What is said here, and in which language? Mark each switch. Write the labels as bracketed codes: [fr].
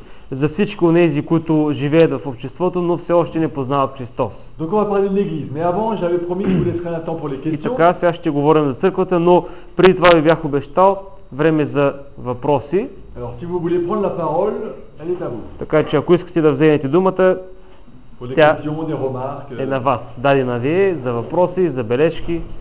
[bg] За всички онези, които живеят в обществото, но все още не познават Христос. [fr] Donc on va parler de l'église, mais avant j'avais promis que vous laisserez un temps pour les questions. [bg] И така, сега ще говорим за църквата, но преди това ви бях обещал време за въпроси. [fr] Alors si vous voulez prendre la parole, elle est à vous. [bg] Така че ако искате да вземете думата, тя е на вас. Дали на вие за въпроси, за бележки.